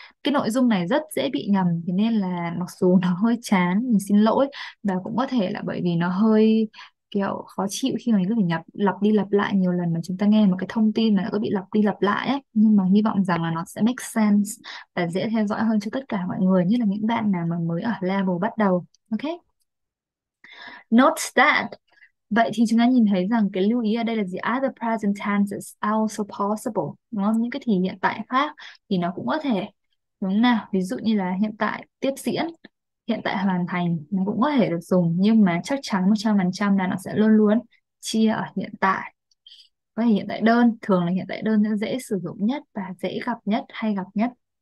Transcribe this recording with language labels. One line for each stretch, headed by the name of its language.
Vietnamese: Cái nội dung này rất dễ bị nhầm, thế nên là mặc dù nó hơi chán, mình xin lỗi, và cũng có thể là bởi vì nó hơi kiểu khó chịu khi mà mình cứ phải nhập lặp đi lặp lại nhiều lần mà chúng ta nghe một cái thông tin mà nó có bị lặp đi lặp lại ấy. Nhưng mà hy vọng rằng là nó sẽ make sense và dễ theo dõi hơn cho tất cả mọi người, như là những bạn nào mà mới ở level bắt đầu.
English: Ok, note that
Vietnamese: Vậy thì chúng ta nhìn thấy rằng cái lưu ý ở đây là gì?
English: Are the present tense is also possible,
Vietnamese: đúng không? Những cái thì hiện tại khác thì nó cũng có thể, đúng nào? Ví dụ như là hiện tại tiếp diễn, hiện tại hoàn thành, nó cũng có thể được dùng, nhưng mà chắc chắn 100% là nó sẽ luôn luôn chia ở hiện tại. Có thể hiện tại đơn, thường là hiện tại đơn sẽ dễ sử dụng nhất và dễ gặp nhất, hay gặp nhất.